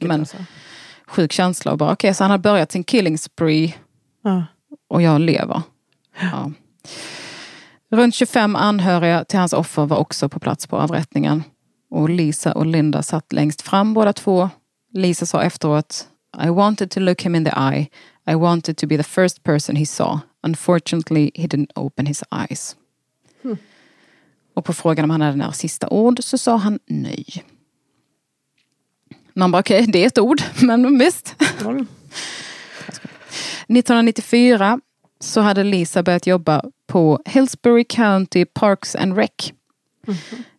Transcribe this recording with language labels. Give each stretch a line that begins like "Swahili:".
Swedish: Men alltså, sjuk känsla och bara, okej, okay, så han har börjat sin killing spree och jag lever. Ja. Runt 25 anhöriga till hans offer var också på plats på avrättningen. Och Lisa och Linda satt längst fram båda två. Lisa sa efteråt,
English: I wanted to look him in the eye. I wanted to be the first person he saw. Unfortunately, he didn't open his eyes. Hmm.
Swedish: Och på frågan om han hade några sista ord så sa han nej. Någon bara, okej, det är ett ord, men visst. Mm. 1994 så hade Lisa börjat jobba på Hillsborough County Parks and Rec. Mm-hmm.